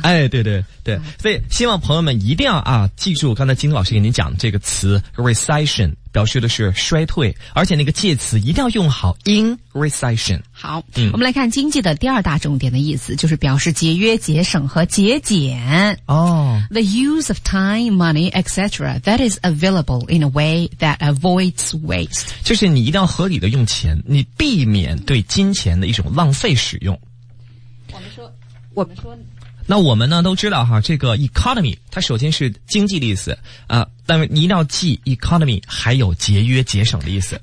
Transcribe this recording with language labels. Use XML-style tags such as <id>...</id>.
<zh>哎，对对对，所以希望朋友们一定要啊，记住刚才金老师给您讲这个词 recession， 表示的是衰退，而且那个介词一定要用好</zh> <en>in recession。</en> <zh>好，嗯，我们来看经济的第二大重点的意思，就是表示节约、节省和节俭。哦</zh> <en>，the use of time, money, etc. that is available in a way that avoids waste，</en> <zh>就是你一定要合理的用钱，你避免对金钱的一种浪费使用。我们说那我们呢都知道哈，这个 economy 它首先是经济的意思啊，但是你一定要记 economy 还有节约节省的意思。</zh>